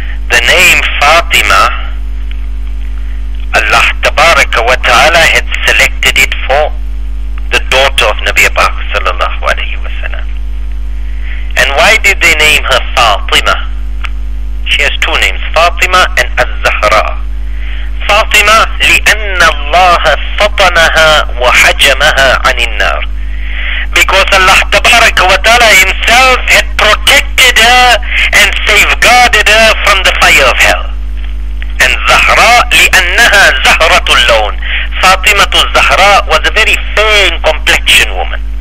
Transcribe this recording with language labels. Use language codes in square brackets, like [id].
[en] The name Fatima, Allah tabaraka wa ta'ala had selected it for the daughter of Nabi Pak sallallahu alayhi wa sallam. And why did they name her Fatima? She has two names, Fatima and Az-Zahra. [ar] Fatima, لِأَنَّ اللَّهَ فَطَنَهَا وَحَجَمَهَا عَنِ النَّارِ. [en] Because Allah tabaraka wa ta'ala himself had protected her and safeguarded her from the fire of hell. And Zahra [ar] li annaha زهرة اللون. [en] فاطمة الزهراء was a very fine complexion woman.